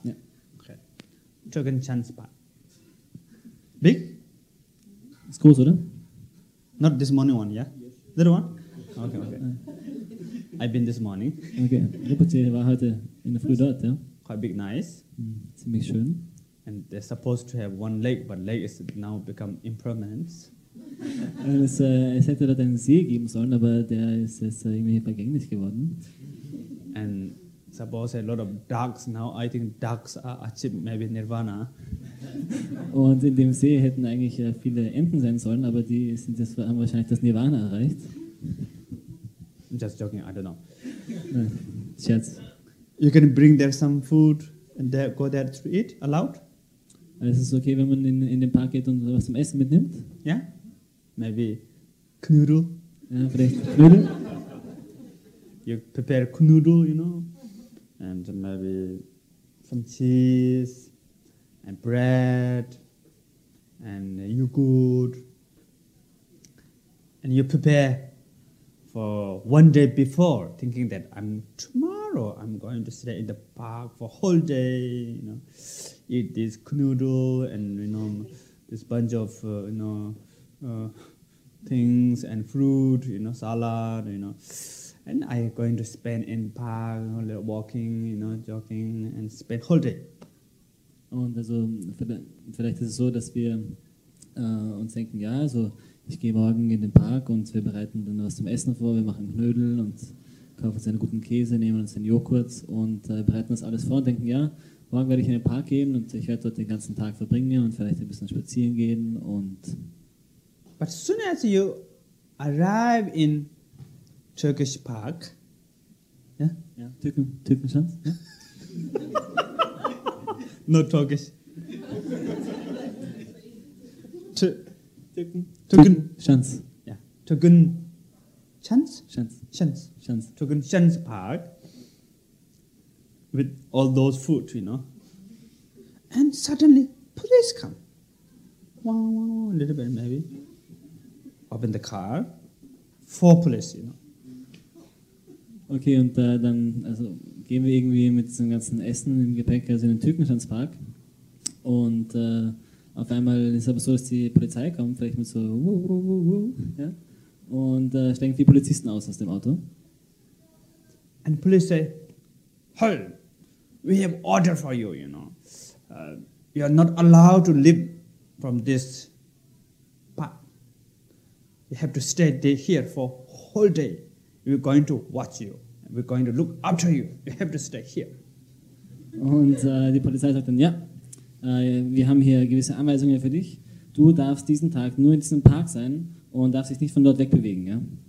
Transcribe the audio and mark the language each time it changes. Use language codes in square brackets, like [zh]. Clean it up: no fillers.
[de] Ja. [en] Okay. Türkenschanzpark. Big? [de] Ist groß, oder? [en] Not this morning one, yeah? Little one? Okay. I've been this morning. Okay. [de] Reporter war heute in der Früh dort, ja? [en] Quite big, nice. [de] Ziemlich schön. [en] And they're supposed to have one lake, but lake is now become impermanent. [de] Es hätte dort einen See geben sollen, aber der ist jetzt irgendwie vergänglich geworden. [en] And suppose a lot of ducks now. I think ducks are achieved maybe Nirvana. [de] Und in dem See hätten eigentlich viele Enten sein sollen, aber die sind jetzt, haben wahrscheinlich das Nirvana erreicht. [en] I'm just joking, I don't know. [de] Scherz. [en] You can bring there some food and there, go there to eat, allowed? [de] Es ist okay, wenn man in den Park geht und was zum Essen mitnimmt? Ja. [en] Yeah? Maybe Knödel. [de] Ja, vielleicht Knödel. [en] You prepare Knödel, you know? And maybe some cheese and bread and yogurt. And you prepare for one day before, thinking that tomorrow I'm going to stay in the park for a whole day, you know, eat this knödel and, you know, this bunch of, you know, things and fruit, you know, salad, you know. And I'm going to spend in park, you know, walking, you know, jogging and spend whole day. [de] Und also vielleicht ist es so, dass wir uns denken, ja, also ich gehe morgen in den Park und wir bereiten dann was zum Essen vor, wir machen Knödel und kaufen uns einen guten Käse, nehmen uns einen Joghurt und bereiten uns alles vor und denken, ja, morgen werde ich in den Park gehen und ich werde dort den ganzen Tag verbringen und vielleicht ein bisschen spazieren gehen und... [en] But as soon as you arrive in Turkish Park, yeah? Yeah, Türkenschanz, yeah? No Turkish. Türkenschanz. Yeah, Türkenschanz? Schanz. Schanz. Schanz. Türkenschanz Park, with all those food, you know. And suddenly, police come. Wow, a little bit maybe. Open the car, four police, you know. [de] Okay, und dann also gehen wir irgendwie mit diesem ganzen Essen im Gepäck also in den Türkenschanzpark. Und auf einmal ist es aber so, dass die Polizei kommt, vielleicht mit so ja? Und steigen vier Polizisten aus dem Auto. [en] And police say, hey, we have order for you, you know. You are not allowed to leave from this park. You have to stay here for whole day. We're going to watch you. We're going to look after you. You have to stay here. [de] Und die Polizei sagt dann, ja, wir haben hier gewisse Anweisungen für dich. Du darfst diesen Tag nur in diesem Park sein und darfst dich nicht von dort wegbewegen, ja?